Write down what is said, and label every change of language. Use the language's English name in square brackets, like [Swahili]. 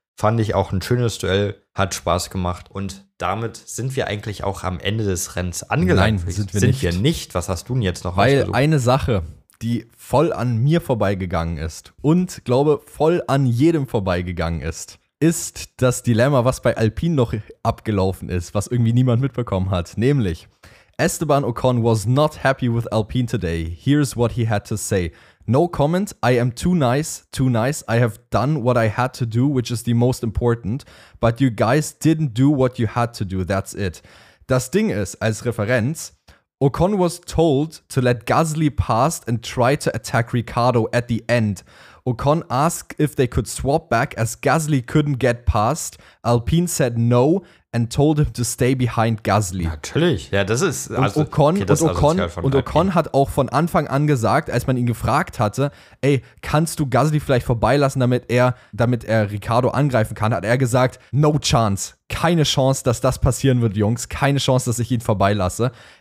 [German] Fand ich auch ein schönes Duell, hat Spaß gemacht. Und damit sind wir eigentlich auch am Ende des Rennens angelangt. Nein, sind wir nicht. Was hast du denn jetzt noch? Weil eine Sache, die voll an mir vorbeigegangen ist und, glaube, voll an jedem vorbeigegangen ist, ist das Dilemma, was bei Alpine noch abgelaufen ist, was irgendwie niemand mitbekommen hat. Nämlich, [English] Esteban Ocon was not happy with Alpine today. Here's what he had to say. No comment, I am too nice, I have done what I had to do, which is the most important, but you guys didn't do what you had to do, that's it. [German] Das Ding ist, als Referenz, [English] Ocon was told to let Gasly pass and try to attack Ricardo at the end. Ocon asked if they could swap back as Gasly couldn't get past. Alpine said no and told him to stay behind Gasly. [German] Natürlich. Ja, das ist also Ocon hat auch von Anfang an gesagt, als man ihn gefragt hatte, ey, kannst du Gasly vielleicht vorbeilassen, damit er Ricardo angreifen kann, hat er gesagt, [English] no chance. [German] Keine Chance, dass das passieren wird, Jungs. Keine Chance, dass ich ihn vorbeilasse.